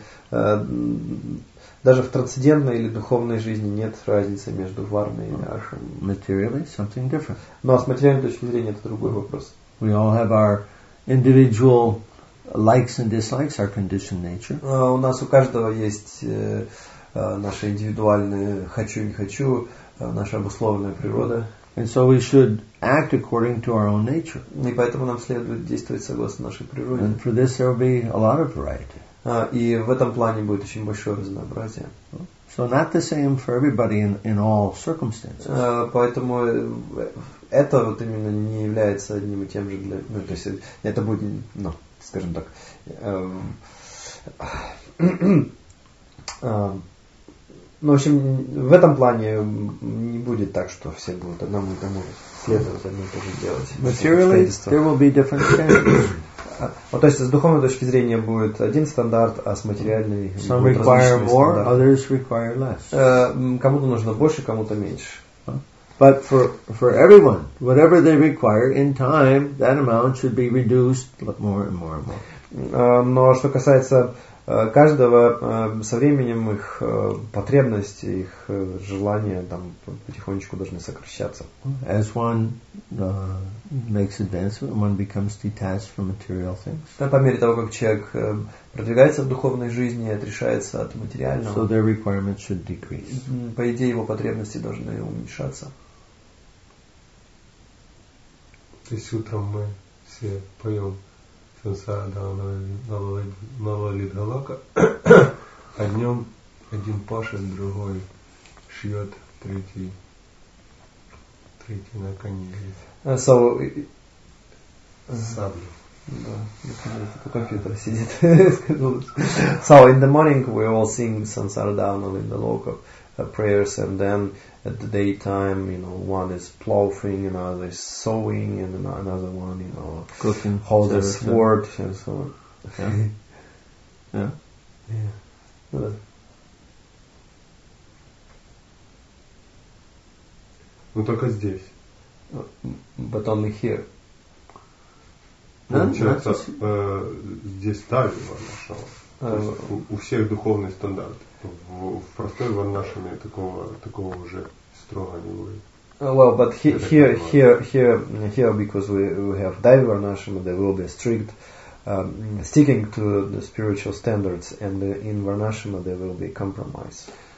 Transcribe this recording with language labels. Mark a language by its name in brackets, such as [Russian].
[Russian] Даже в трансцендентной или духовной жизни нет разницы между варной и ашрамой. [English] Materially something different. [Russian] Но с материальной точки зрения это другой вопрос. [English] We all have our individual likes and dislikes, our conditioned nature. [Russian] У нас у каждого есть наши индивидуальные хочу не хочу, наша обусловленная природа. [English] And so we should act according to our own nature. [Russian] И поэтому нам следует действовать согласно нашей природе. [English] And for this there will be a lot of variety. [Russian] И в этом плане будет очень большое разнообразие. [English] So not the same for everybody in all circumstances. [Russian] Поэтому это вот именно не является одним и тем же для... Ну, то есть это будет, ну, скажем так, ну, в общем, в этом плане не будет так, что все будут одному и тому же следовать, одному и тому же делать. [English] Materially, there will be different standards. [Russian] Вот, то есть с духовной точки зрения будет один стандарт, а с материальной будет различный стандарт. [English] Some require more, others require less. [Russian] Кому-то нужно больше, кому-то меньше. [English] But for everyone, whatever they require, in time, that amount should be reduced more and more and more. [Russian] Но что касается каждого, со временем их потребности, их желания там потихонечку должны сокращаться. [English] As one makes advancement, one becomes detached from material things. [Russian] Да, по мере того, как человек продвигается в духовной жизни, отрешается от материального. [English] So their requirements should decrease. [Russian] По идее, его потребности должны уменьшаться. То есть утром мы все поем Сансара-дхана-навалид-галока, а днем один пашет, другой шьет, третий на коне едет. Саблю. Да, на коне только компьютер сидит. [English] So, in the morning we all sing Сансара-дхана-навалид-галока prayers, and then at the daytime, you know, one is ploughing, another is sowing, and another one, you know, cooking, holds a sword, so. And so on. Okay. [Russian] Ну только здесь. [English] But only here. [Russian] Здесь тали вошел. У всех духовный стандарт. В простой ваннашаме такого уже строго не будет. [English] Well, but here, because we have daiva varnashrama, there will be a strict sticking to the spiritual standards, and in varnashrama there will be a compromise.